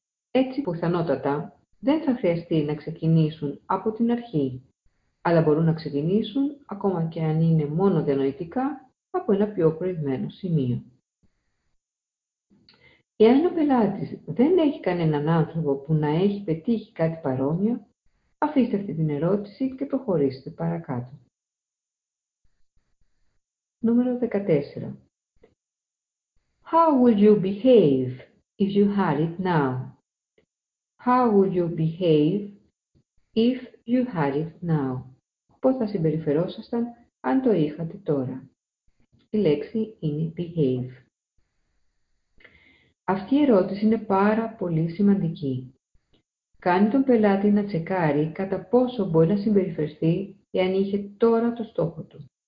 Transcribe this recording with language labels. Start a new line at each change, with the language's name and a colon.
Greek: Έτσι, πιθανότατα, δεν θα χρειαστεί να ξεκινήσουν από την αρχή, αλλά μπορούν να ξεκινήσουν, ακόμα και αν είναι μόνο διανοητικά, από ένα πιο προηγμένο σημείο. Εάν ο πελάτης δεν έχει κανέναν άνθρωπο που να έχει πετύχει κάτι παρόμοιο, αφήστε αυτή την ερώτηση και προχωρήστε παρακάτω. Νούμερο 14.
English: How would you behave if you had it now? How would you behave if you had it now?
Greek: Πώς θα συμπεριφερόσασταν αν το είχατε τώρα? Η λέξη είναι behave. Αυτή η ερώτηση είναι πάρα πολύ σημαντική. Κάνει τον πελάτη να τσεκάρει κατά πόσο μπορεί να συμπεριφερθεί εάν είχε τώρα το στόχο του.